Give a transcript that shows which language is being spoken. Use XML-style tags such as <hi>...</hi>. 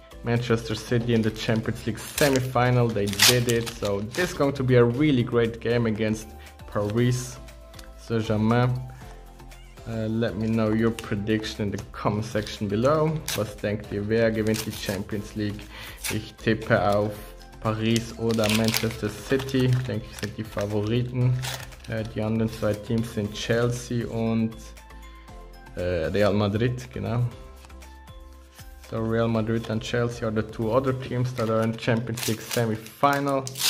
<en>Manchester City in the Champions League semi-final, they did it. So this is going to be a really great game against Paris Saint-Germain. Let me know your prediction in the comment section below.</en> <de>Was denkt ihr, wer gewinnt die Champions League? Ich tippe auf Paris oder Manchester City. Denke ich, sind die Favoriten. Die anderen zwei Teams sind Chelsea und Real Madrid, genau.</de> <en>So Real Madrid and Chelsea are the two other teams that are in Champions League semi-final.</en>